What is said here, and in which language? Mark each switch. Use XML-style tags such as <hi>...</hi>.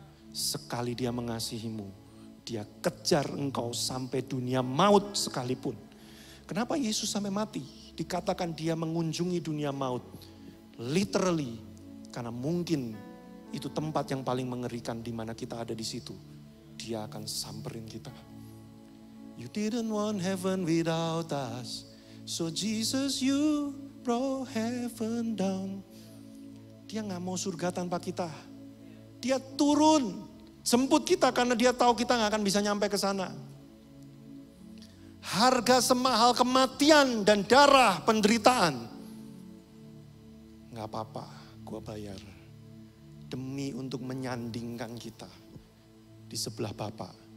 <id>Sekali dia mengasihimu, dia kejar engkau sampai dunia maut sekalipun. Kenapa Yesus sampai mati? Dikatakan dia mengunjungi dunia maut. Literally, karena mungkin itu tempat yang paling mengerikan di mana kita ada di situ. Dia akan samperin kita.</id> <en>You didn't want heaven without us. So Jesus, you brought heaven down.</en> <id>Dia gak mau surga tanpa kita. Dia turun, jemput kita karena dia tahu kita gak akan bisa nyampe ke sana. Harga semahal kematian dan darah penderitaan. Gak apa-apa, gue bayar. Demi untuk menyandingkan kita di sebelah Bapa.</id>